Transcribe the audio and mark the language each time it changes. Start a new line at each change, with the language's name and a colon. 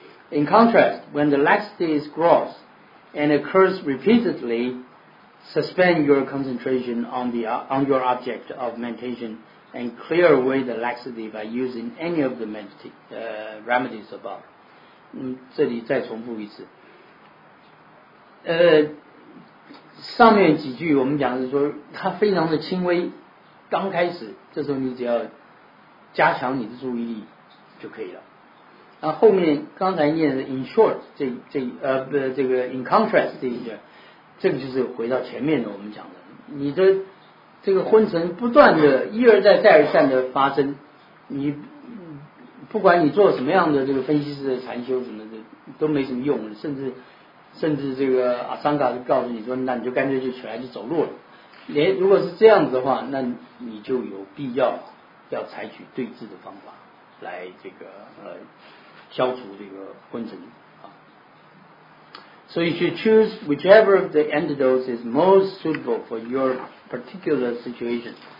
English: In contrast, when the laxity is gross and occurs repeatedly, suspend your concentration on your object of meditation and clear away the laxity by using any of the remedies above.
Chinese: 这里再重复一次。上面几句我们讲的是说它非常的轻微，刚开始这时候你只要加强你的注意力就可以了。啊，后面刚才念的
English: in short
Chinese: 这个
English: in contrast
Chinese: 这一句，这个就是回到前面的我们讲的，你的这个昏沉不断的一而再再而三的发生，你不管你做什么样的这个分析式的禅修什么的都没什么用，甚至这个阿桑嘎就告诉你说，那你就干脆就起来就走路了。连如果是这样子的话，那你就有必要采取对治的方法来这个消除这个昏沉啊。
English: So you should choose whichever of the antidotes is most suitable for your particular situation.